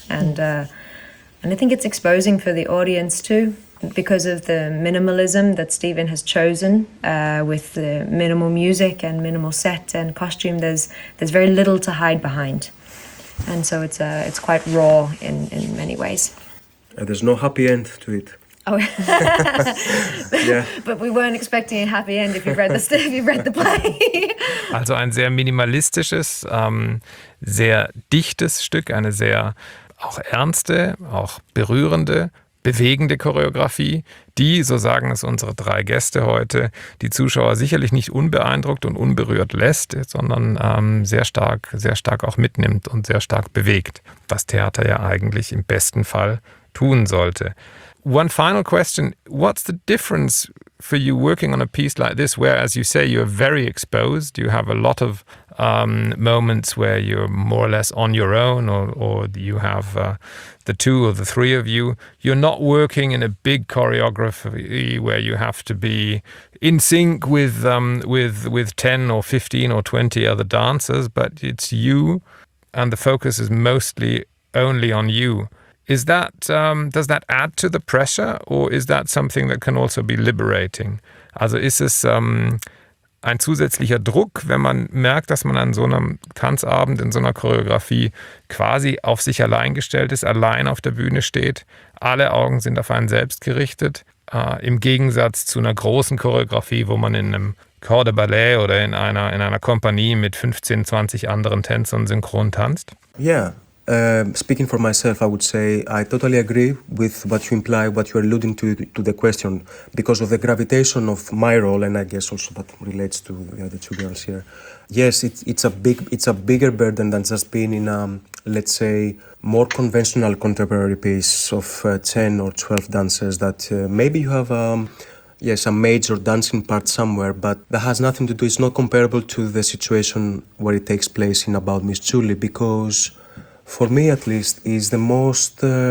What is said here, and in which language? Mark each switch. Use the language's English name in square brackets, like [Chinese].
[English] And and I think it's exposing for the audience too, because of the minimalism that Stephen has chosen with the minimal music and minimal set and costume. There's very little to hide behind. And so it's quite raw in many ways. There's no happy end to it. Oh, yeah. But we weren't expecting a happy end if you read the play. [German] Also ein sehr minimalistisches, sehr dichtes Stück, eine sehr auch ernste, auch berührende, bewegende Choreografie, die, so sagen es unsere drei Gäste heute, die Zuschauer sicherlich nicht unbeeindruckt und unberührt lässt, sondern sehr stark auch mitnimmt und sehr stark bewegt, was Theater ja eigentlich im besten Fall tun sollte. [English] One final question. What's the difference for you working on a piece like this, where, as you say, you're very exposed, you have a lot of moments where you're more or less on your own, or you have the two or the three of you. You're not working in a big choreography where you have to be in sync with 10 or 15 or 20 other dancers, but it's you, and the focus is mostly only on you. Is that does that add to the pressure, or is that something that can also be liberating? [German] Also ist es ein zusätzlicher Druck, wenn man merkt, dass man an so einem Tanzabend in so einer Choreografie quasi auf sich allein gestellt ist, allein auf der Bühne steht, alle Augen sind auf einen selbst gerichtet, im Gegensatz zu einer großen Choreografie, wo man in einem Corps de Ballet oder in einer Kompanie mit 15, 20 anderen Tänzern synchron tanzt? [English] Yeah. Speaking for myself, I would say I totally agree with what you imply, what you're alluding to the question, because of the gravitation of my role, and I guess also that relates to the other two girls here. Yes, it's a bigger burden than just being in a, let's say, more conventional contemporary piece of 10 or 12 dancers that maybe you have a major dancing part somewhere, but that has nothing to do, it's not comparable to the situation where it takes place in About Miss Julie, because for me, at least, is the most.